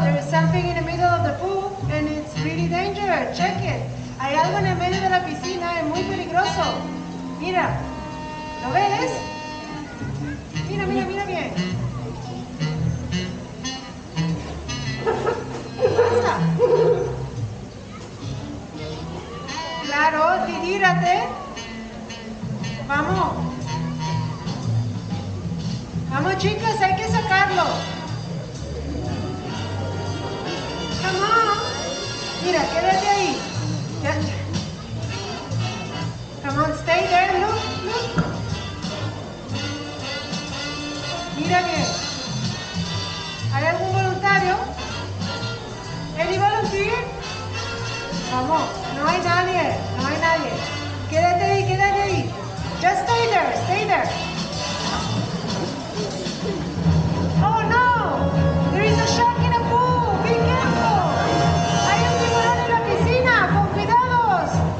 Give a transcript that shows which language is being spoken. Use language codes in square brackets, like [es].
[en] There is something in the middle of the pool, and it's really dangerous. Check it. [es] Hay algo en el medio de la piscina, es muy peligroso. Mira, ¿lo ves? Mira, mira, mira bien. Claro, tírate. Vamos. Vamos, chicas, hay que sacarlo. [en] Come on. [es] Mira, quédate ahí. [en] Come on, stay there. Look, look. [es] Mira bien. ¿Hay algún voluntario? [en] ¿Any volunteer? [es] Vamos, no hay nadie, no hay nadie. Quédate ahí, quédate ahí. [en] Just stay there, stay there. Oh no, there is a shark in the pool, be careful. [es] Hay un tiburón en la piscina, con cuidados.